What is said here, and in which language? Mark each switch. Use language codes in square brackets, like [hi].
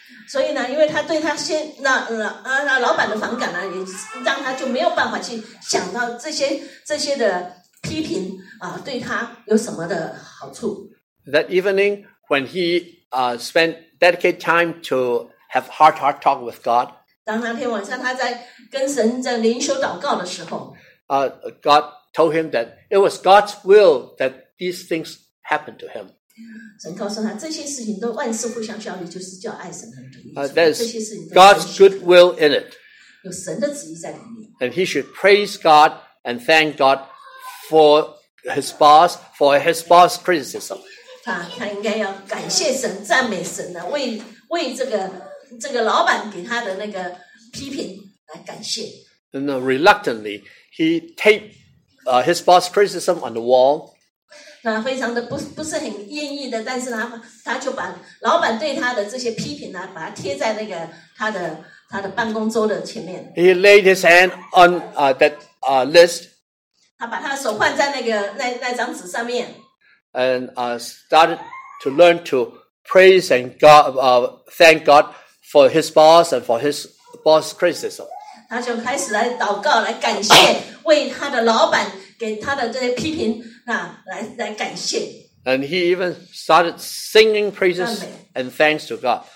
[zh] 所以呢，因为他对他先那老板的反感呢，也让他就没有办法去想到这些的批评啊，对他有什么的好处。 [en] That evening, when he spent dedicate time to have heart-to-heart talk with God. [zh] 当那天晚上他在跟神在灵修祷告的时候。 [en] God told him that it was God's will that these things happened to him. [zh] 神告诉他这些事情都万事互相效力，就是叫爱神的这些事情都有 [en] God's good will in it. [zh] 有神的旨意在里面。 [en] And he should praise God and thank God for his boss, for his boss' criticism. [zh] 他应该要感谢神，赞美神呢，为这个老板给他的那个批评来感谢。 [en] And reluctantly, he taped his boss' criticism on the wall. [zh] 那非常的不是很愿意的，但是他就把老板对他的这些批评呢，把它贴在那个他的办公桌的前面。 [en] He laid his hand on that list. [zh] 他把他的手放在那张纸上面。 [en] And started to learn to praise and God, thank God for his boss and for his boss criticism. [zh] 他就开始来祷告，来感谢，为他的老板给他的这些批评，来感谢。 [en] And he even started singing praises and thanks to God.